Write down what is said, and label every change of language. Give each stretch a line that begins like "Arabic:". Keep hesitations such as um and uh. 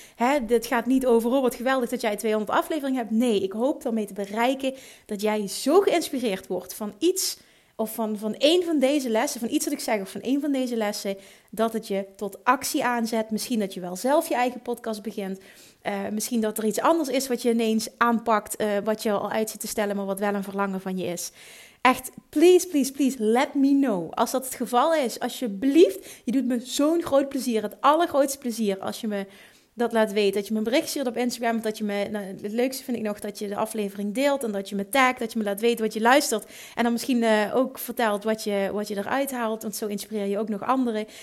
Dutch: Hè, dit gaat niet over: oh, wat geweldig dat jij 200 afleveringen hebt. Nee, ik hoop daarmee te bereiken dat jij zo geïnspireerd wordt van iets. Of van, van één van deze lessen, van iets dat ik zeg, of van één van deze lessen, dat het je tot actie aanzet. Misschien dat je wel zelf je eigen podcast begint. Eh, misschien dat er iets anders is wat je ineens aanpakt, eh, wat je al uit zit te stellen, maar wat wel een verlangen van je is. Echt,
English: please, please, please, let me know.
Dutch: Als dat het geval is, alsjeblieft. Je doet me zo'n groot plezier, het allergrootste plezier, als je me dat laat weten. Dat je me een bericht stuurt op Instagram, want dat je me, nou, het leukste vind ik nog, dat je de aflevering deelt en dat je me tagt, dat je me laat weten wat je luistert. En dan misschien eh, ook vertelt wat je, wat je eruit haalt, want zo inspireer je ook nog anderen.